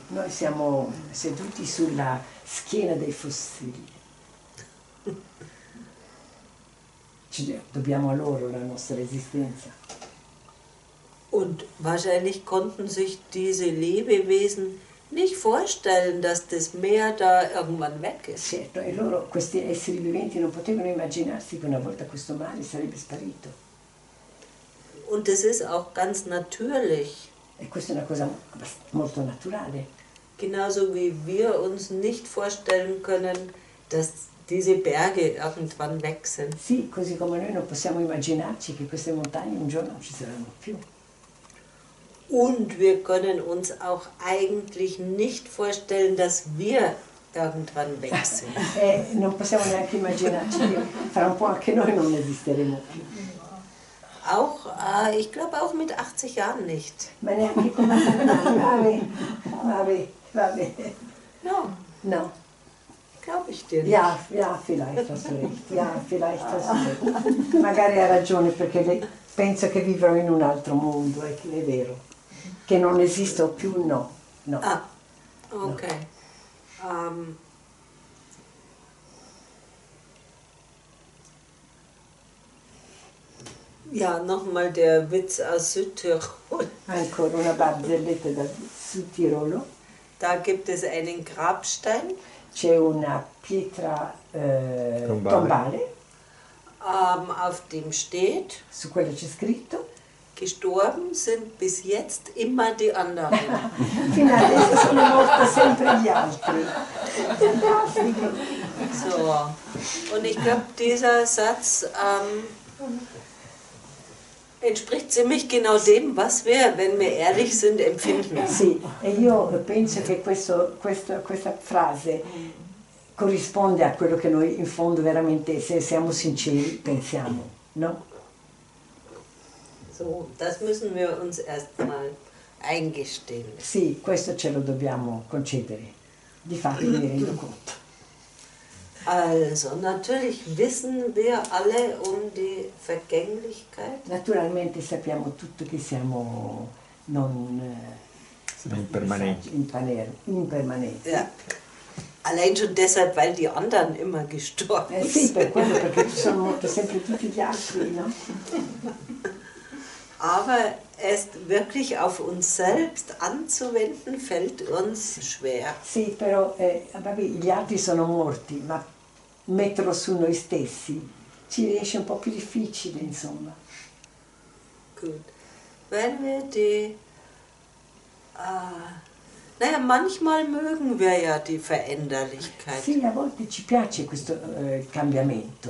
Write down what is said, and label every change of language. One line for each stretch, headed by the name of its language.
Italian: Noi siamo seduti sulla schiena dei fossili. Dobbiamo a loro la nostra esistenza.
German: Und wahrscheinlich konnten sich diese Lebewesen nicht vorstellen, dass das Meer da irgendwann weg ist.
Italian: Certo, e loro, questi esseri viventi, non potevano immaginarsi che una volta questo mare sarebbe sparito.
German: Und das ist auch ganz natürlich.
Italian: E questa è una cosa molto naturale.
German: Genauso wie wir uns nicht vorstellen können, dass diese Berge irgendwann weg sind.
Italian: Sì, così come noi non possiamo immaginarci che queste montagne un giorno non ci saranno più.
German: Und wir können uns auch eigentlich nicht vorstellen, dass wir irgendwann weg sind.
Italian: Non possiamo neanche immaginarci che fra un po' anche noi non esisteremo più.
German: Auch, ich glaube auch mit 80 Jahren nicht.
Italian: Ma neanche con 80 anni. Va bene.
German: No. Glaube ich dir nicht. Ja, vielleicht hast du recht. Ja, vielleicht hast du recht.
Italian: Magari ha ragione, perché penso che vivrò in un altro mondo, è vero. Che non esisto più, no. Ah, ok. No.
German: Ja, nochmal der Witz aus Südtirol.
Italian: Ancora una barzelletta da Südtirolo.
German: Da gibt es einen Grabstein.
Italian: C'è una pietra tombale.
German: Auf dem steht.
Italian: Su quella c'è scritto.
German: Gestorben sind bis jetzt immer die anderen.
Italian: Fino adesso sono morti sempre gli altri. So.
German: Und ich glaube, dieser Satz entspricht ziemlich genau dem, was wir, wenn wir ehrlich sind, empfinden.
Italian: Sì, e io penso che questa frase corrisponde a quello che noi in fondo veramente, se siamo sinceri, pensiamo, no?
German: So, das müssen wir uns erstmal eingestehen.
Italian: Sì, questo ce lo dobbiamo concedere. Di fatto mi rendo conto.
German: Also, natürlich wissen wir alle um die Vergänglichkeit.
Italian: Naturalmente sappiamo tutto che siamo non impermanenti.
German: Ja. Allein schon deshalb, weil die anderen immer gestorben sind.
Italian: Sì, per quello, perché ci sono morti sempre tutti gli altri, no?
German: Aber es wirklich auf uns selbst anzuwenden fällt uns schwer.
Italian: Sì, però vabbè, gli altri sono morti, ma metterlo su noi stessi ci riesce un po' più difficile, insomma.
German: Gut. Wenn wir die naja, manchmal mögen wir ja die Veränderlichkeit.
Italian: Sì, a volte ci piace questo cambiamento.